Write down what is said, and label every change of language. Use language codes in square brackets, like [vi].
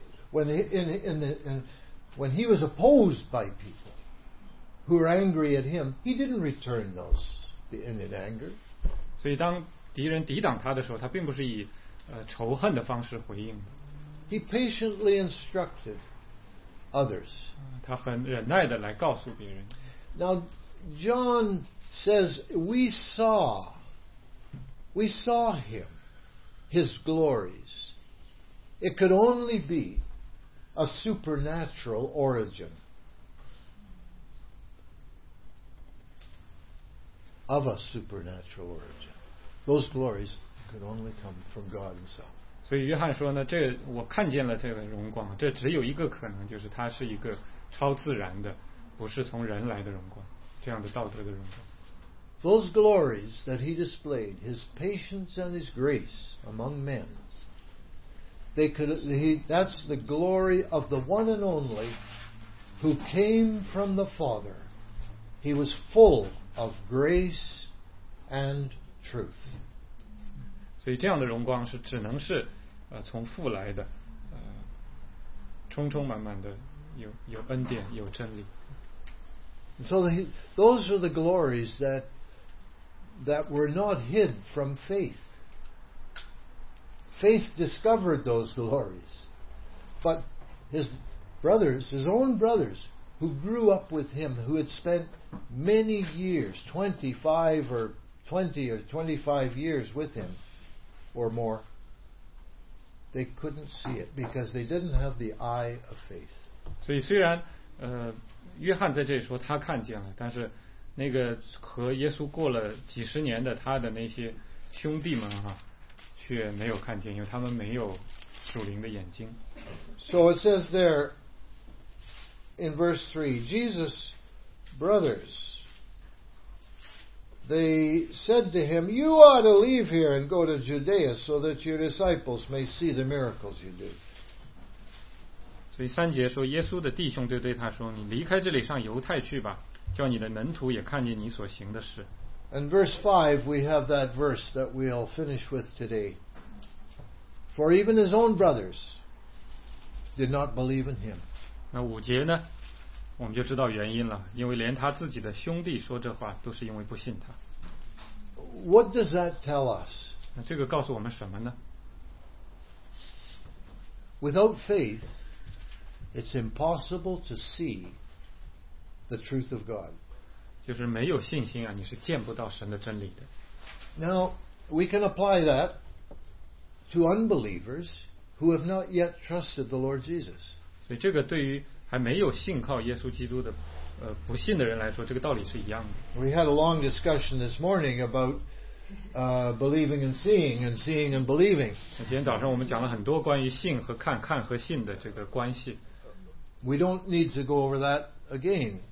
[en] When he was opposed by people who were angry at him, he didn't return those in anger. [zh] 所以当敌人抵挡他的时候，他并不是以仇恨的方式回应。 [en] He patiently instructed others. [zh] 他很忍耐的来告诉别人。 [en] Now, John says, we saw him, his glories. It could only be a supernatural origin of a supernatural origin. Those glories could only come from God himself. [zh] 所以约翰说呢，这我看见了这个荣光，这只有一个可能，就是它是一个超自然的，不是从人来的荣光，这样的道德的荣光。 [en] Those glories that he displayed, his patience and his grace among men, that's the glory of the one and only who came from the Father. He was full of grace and truth. [zh] 所以这样的荣光是只能是从父来的，充充满满的有恩典，有真理。 [en] So those are the glories that were not hid from faith. Faith discovered those glories. But his own brothers, who grew up with him, who had spent many years, 25 years with him, or more, they couldn't see it because they didn't have the eye of faith. [zh] 所以虽然约翰在这里说他看见了，但是那个和耶稣过了几十年的他的那些兄弟们哈，却没有看见，因为他们没有属灵的眼睛。 [en] So it says there in verse 3, Jesus' brothers, they said to him, "You ought to leave here and go to Judea so that your disciples may see the miracles you do." [zh] 所以三节说，耶稣的弟兄就对他说，你离开这里上犹太去吧，叫你的门徒也看见你所行的事。 [en] And verse 5, we have that verse that we'll finish with today. For even his own brothers did not believe in him. [zh] 那五节呢，我们就知道原因了，因为连他自己的兄弟说这话都是因为不信他。 [en] What does that tell us? [zh] 那这个告诉我们什么呢？ [en] Without faith, it's impossible to see the truth of God. [zh] 就是没有信心啊，你是见不到神的真理的。 [en] Now, we can apply that to unbelievers who have not yet trusted the Lord Jesus. [zh] 所以这个对于还没有信靠耶稣基督的不信的人来说，这个道理是一样的。 [en] We had a long discussion this morning about believing and seeing, and seeing and believing. [zh] 今天早上我们讲了很多关于信和看，看和信的这个关系。 [en] We don't need to go over that again.